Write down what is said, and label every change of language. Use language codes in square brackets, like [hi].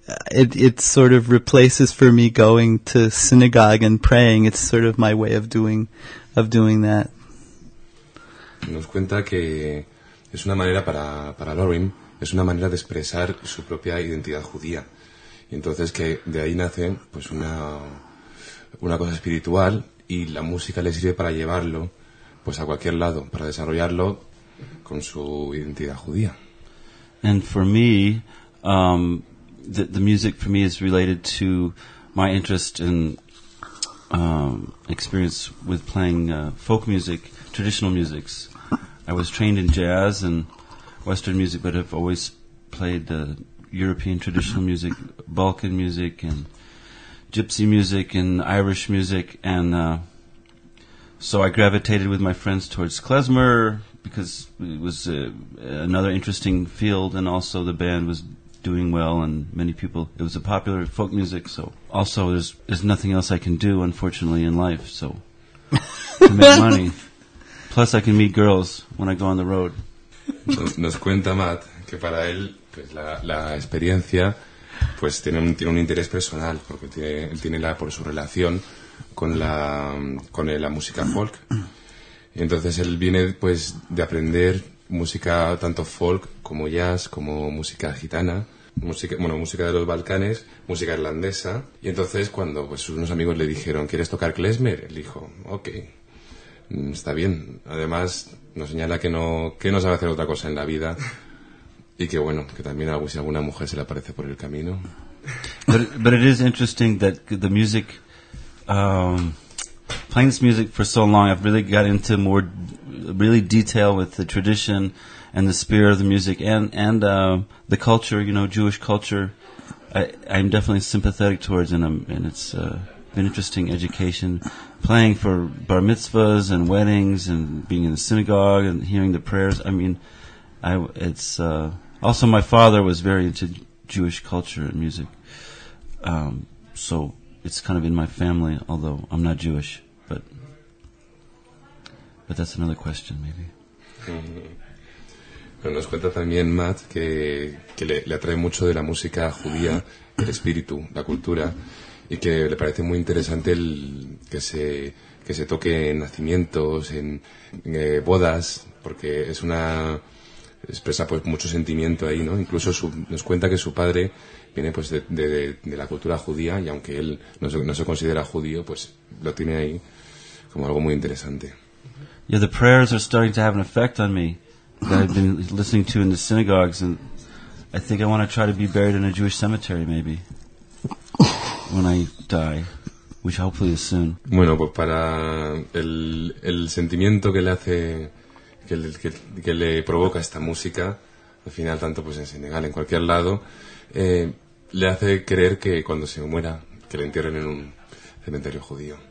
[en] It sort of replaces for me going to synagogue and praying. It's sort of my way of doing that. [es] Nos cuenta que es una manera para Lorin, es una manera de expresar su propia identidad judía. Y entonces que de ahí nace pues una cosa espiritual, y la música le sirve para llevarlo pues a cualquier lado, para desarrollarlo con su identidad judía. [en] And for me, the music for me is related to my interest in experience with playing folk music, traditional musics. I was trained in jazz and Western music, but have always played the European traditional music, Balkan music, and Gypsy music, and Irish music, and so I gravitated with my friends towards klezmer, because it was another interesting field, and also the band was doing well, and many people, it was a popular folk music, so also there's nothing else I can do, unfortunately, in life, so to make money. Plus I can meet girls when I go on the road. [es] Nos cuenta Matt que para él pues la experiencia pues tiene un interés personal, porque tiene la por su relación con la música folk. Y entonces él viene pues de aprender música tanto folk como jazz, como música gitana, música de los Balcanes, música irlandesa, y entonces cuando pues unos amigos le dijeron, ¿quieres tocar klezmer? Él dijo, "Okay." Está bien. Además, nos señala que no sabe hacer otra cosa en la vida, y que bueno, que también si alguna mujer se le aparece por el camino. [en] But it is interesting that the music, playing this music for so long, I've really got into more really detail with the tradition and the spirit of the music and the culture, you know, Jewish culture. I'm definitely sympathetic towards, and it's been interesting education, playing for bar mitzvahs and weddings and being in the synagogue and hearing the prayers. I mean, also my father was very into Jewish culture and music, so it's kind of in my family, although I'm not Jewish, but that's another question, maybe. [es] Pero nos cuenta también Matt que le atrae mucho de la música judía el espíritu, la cultura, y que le parece muy interesante que se toque en nacimientos, en bodas, porque es una expresa pues mucho sentimiento ahí, ¿no? Incluso nos cuenta que su padre viene pues de la cultura judía, y aunque él no se considera judío, pues lo tiene ahí como algo muy interesante. [en] Yeah, the prayers are starting to have an effect on me that I've been listening to in the synagogues, and I think I want to try to be buried in a Jewish cemetery maybe. When I die, which hopefully is soon. [es] Bueno, pues para el sentimiento que le hace, que le provoca esta música, al final tanto pues en Senegal, en cualquier lado, le hace creer que cuando se muera, que le entierren en un cementerio judío.